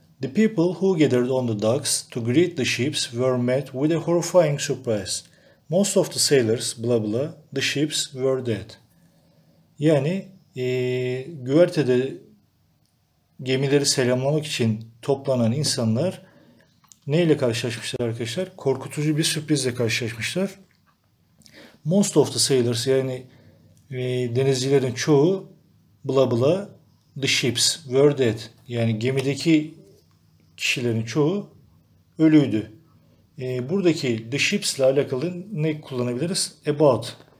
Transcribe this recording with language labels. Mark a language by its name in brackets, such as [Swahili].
[English] The people who gathered on the docks to greet the ships were met with a horrifying surprise. Most of the sailors, blah blah, the ships were dead. [Turkish] Yani güvertede gemileri selamlamak için toplanan insanlar neyle karşılaşmışlar arkadaşlar? Korkutucu bir sürprizle karşılaşmışlar. [English] Most of the sailors, [Turkish] yani denizcilerin çoğu, [English] blah blah, the ships were dead. [Turkish] Yani gemideki kişilerin çoğu ölüydü. Buradaki [English] the ships [Turkish] ile alakalı ne kullanabiliriz? [English] About.